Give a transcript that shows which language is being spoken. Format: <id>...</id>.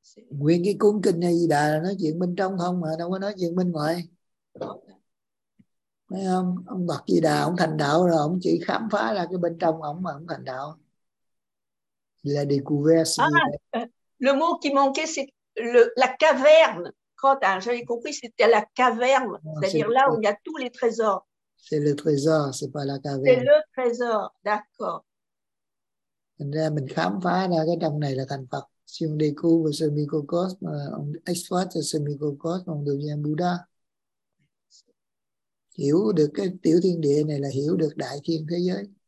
<vi>nguyên cái cuốn kinh này gì đà là nói chuyện bên trong không mà đâu có nói chuyện bên ngoài, thấy không? Ông Bậc Di Đà ông thành đạo rồi, ông chỉ khám phá ra cái bên trong ông mà ông thành đạo là découvert.</vi> <fr>Le mot qui manquait c'est la caverne. Quand j'avais compris, c'était la caverne, c'est-à-dire là où il y a tous les trésors. C'est le trésor, c'est pas la caverne. C'est le trésor, d'accord.</fr> <vi>Thành ra mình khám phá ra cái trong này là thành Phật.</vi> <fr>Si on découvre ce microcosme, on exploite ce microcosme, on devient Bouddha.</fr> <vi>Hiểu được cái tiểu thiên địa này là hiểu được đại thiên thế giới.</vi>